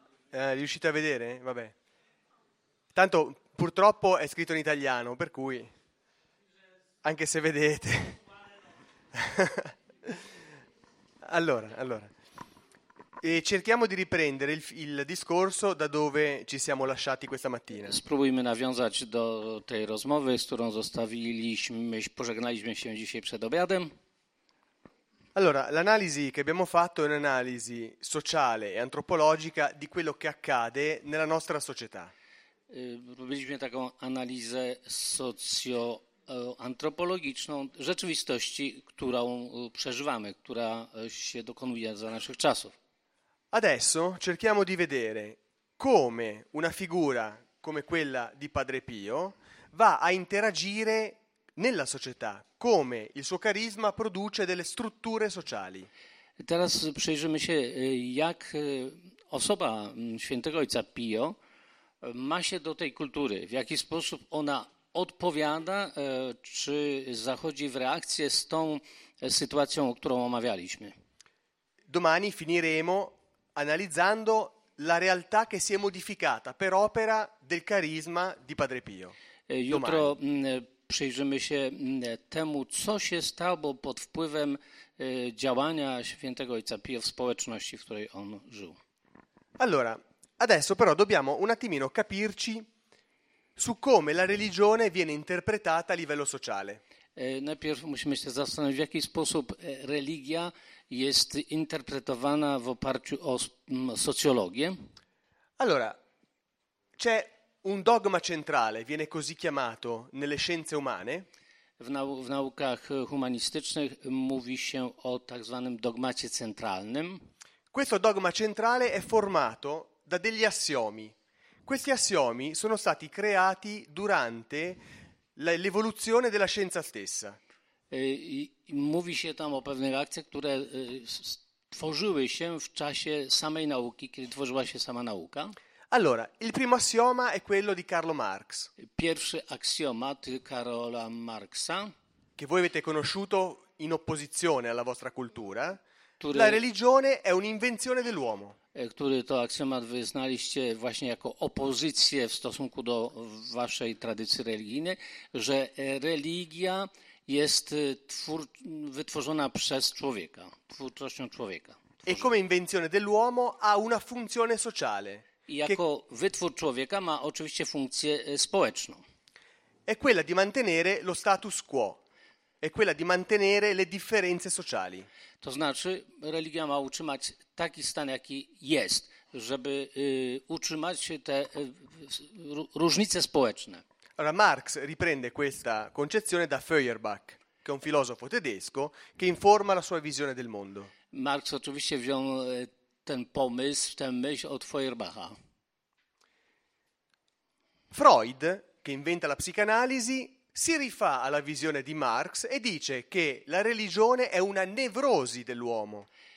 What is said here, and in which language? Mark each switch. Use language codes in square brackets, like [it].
[it] Riuscite a vedere? Vabbè. Tanto purtroppo è scritto in italiano, per cui anche se vedete. Allora. E cerchiamo di riprendere il discorso da dove ci siamo lasciati questa mattina. [pl] Spróbujmy nawiązać do tej rozmowy, z którą zostawiliśmy, pożegnaliśmy się dzisiaj przed obiadem. [it] Allora, l'analisi che abbiamo fatto è un'analisi sociale e antropologica di quello che accade nella nostra società. [pl] Robiliśmy taką analizę socjoantropologiczną rzeczywistości, którą przeżywamy, która się dokonuje za naszych czasów. [it] Adesso cerchiamo di vedere come una figura come quella di Padre Pio va a interagire nella società, come il suo carisma produce delle strutture sociali. [pl] Teraz przyjrzymy się, jak osoba świętego ojca Pio ma się do tej kultury, w jaki sposób ona odpowiada, czy zachodzi w reakcję z tą sytuacją, którą omawialiśmy. [it] Domani finiremo analizzando la realtà che si è modificata per opera del carisma di Padre Pio. [pl] Jutro przyjrzymy się temu, co się stało pod wpływem działania świętego ojca Pio w społeczności, w której on żył. [it] Allora, adesso però dobbiamo un attimino capirci su come la religione viene interpretata a livello sociale. [pl] Najpierw musimy się zastanowić, w jaki sposób religia jest interpretowana w oparciu o socjologię. [it] Allora, c'è un dogma centrale, viene così chiamato, nelle scienze umane. [pl] W naukach humanistycznych mówi się o tak zwanym dogmacie centralnym. [it] Questo dogma centrale è formato da degli assiomi. Questi assiomi sono stati creati durante l'evoluzione della scienza stessa. [pl] Mówi się tam o pewnych akcjach, które tworzyły się w czasie samej nauki, kiedy tworzyła się sama nauka. [it] Allora, il primo assioma è quello di Karl Marx. [pl] Pierwszy aksjomat Karola Marxa, [it] che voi avete conosciuto in opposizione alla vostra cultura, la religione è un'invenzione dell'uomo. [pl] Który to aksjomat wyznaliście właśnie jako opozycję w stosunku do waszej tradycji religijnej, że religia jest wytworzona przez człowieka, twórczością człowieka. [it] E come invenzione dell'uomo ha una funzione sociale. [pl] Jako wytwór człowieka ma oczywiście funkcję społeczną. [it] È quella di mantenere lo status quo. È quella di mantenere le differenze sociali. [pl] To znaczy, religia ma utrzymać taki stan, jaki jest, żeby utrzymać te różnice społeczne. [it] Allora, Marx riprende questa concezione da Feuerbach, che è un filosofo tedesco, che informa la sua visione del mondo. [pl] Marx oczywiście wziął ten pomysł, tę myśl od Feuerbacha. [it] Freud, che inventa la psicanalisi, si rifà alla visione di Marx e dice che la religione è una nevrosi dell'uomo.